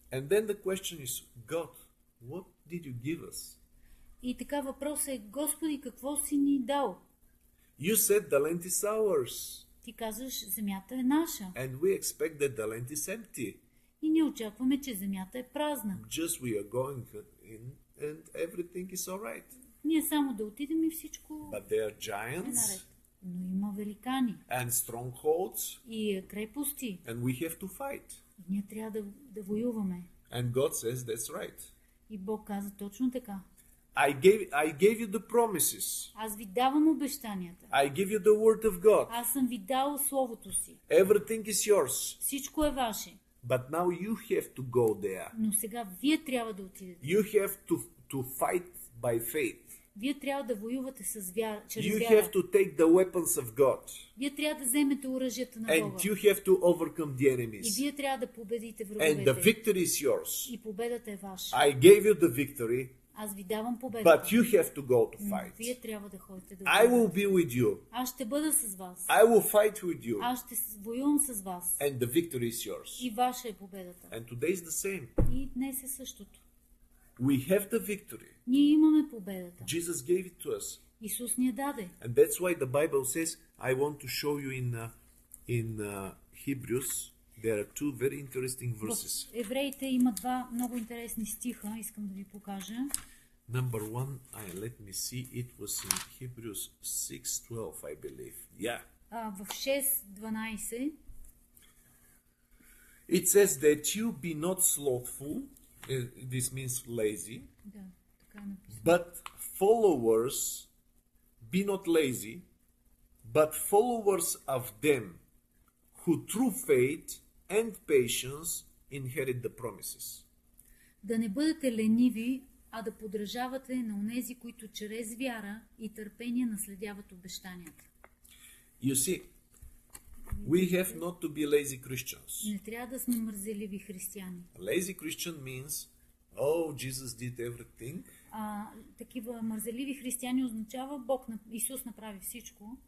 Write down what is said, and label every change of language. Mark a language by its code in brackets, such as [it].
[en] And then the question is, God, what did you give us? [bg] И така въпросът е, Господи, какво си ни дал? [en] You said the land is ours. [bg] Ти казваш, земята е наша. [en] And we expect that the land is empty. [bg] И ние очакваме, че земята е празна. [en] Just we are going in and everything is all right. [bg] Ние само да отидем и всичко. [en] But there are giants. [bg] Но има великани. [en] And strongholds. [bg] И крепости. [en] And we have to fight. [bg] И ние трябва да воюваме. [en] And God says that's right. [bg] И Бог каза точно така. [en] I gave you the promises. [bg] Аз ви давам обещанията. [en] I give you the word of God. [bg] Аз съм ви дал словото си. [en] Everything is yours. [bg] Всичко е ваше. [en] But now you have to go there. [bg] Но сега вие трябва да отидете. [en] You have to fight by faith. [bg] Вие трябва да воювате с вяра, чрез вяра. [en] You have to take the weapons of God. [bg] Вие трябва да вземете оръжията на Бога. [en] And you have to overcome the enemies. [bg] И вие трябва да победите враговете. [en] And the victory is yours. [bg] И победата е ваша. [en] I gave you the victory. [bg] Аз ви давам победа. [en] But you have to go to fight. [bg] Вие трябва да ходите да бъдете. [en] I will be with you. [bg] Аз ще бъда с вас. [en] I will fight with you. [bg] Аз ще воювам с вас. [en] And the victory is yours. [bg] И ваша е победата. [en] And today is the same. [bg] И днес е същото. [en] We have the victory. [bg] Ние имаме победата. [en] Jesus gave it to us. [bg] Исус ни я даде. [en] And that's why the Bible says, I want to show you in Hebrews. There are two very interesting verses. [bg] Евреите има два много интересни стиха, искам да ви покажа. [en] Number one, let me see, it was in Hebrews 6:12, I believe. Yeah. [bg] В 6:12. [en] It says that you be not slothful, this means lazy. [bg] Да, така е написано. [en] But followers, be not lazy, but followers of them who through faith and patience inherit the promises. [bg] Да не бъдете лениви, а да подражавате на онези, които чрез вяра и търпение наследяват обещанията. [en] You see, we have not to be lazy Christians. [bg] Не трябва да сме мързеливи християни. [en] Lazy Christian means, oh, Jesus did everything. [bg] Такива мързеливи християни означава Бог, Исус направи всичко.